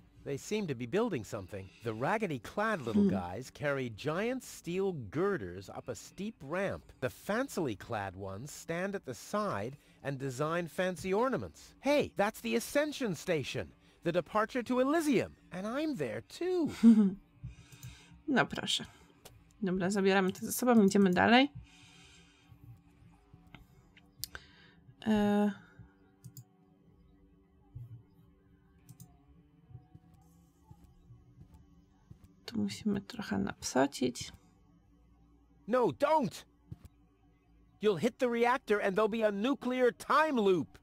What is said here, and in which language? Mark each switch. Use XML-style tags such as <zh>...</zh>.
<en>They seem to be building something. The raggedy clad little guys carry giant steel girders up a steep ramp. The fancily clad ones stand at the side and design fancy ornaments. Hey, that's the Ascension Station, the departure to Elysium. And I'm there too.</en> <pl>No proszę. Dobra, zabieramy to ze sobą, idziemy dalej. Tu musimy trochę napsocić.</pl> <en>No, don't! You'll hit the reactor and there'll be a nuclear time loop!</en>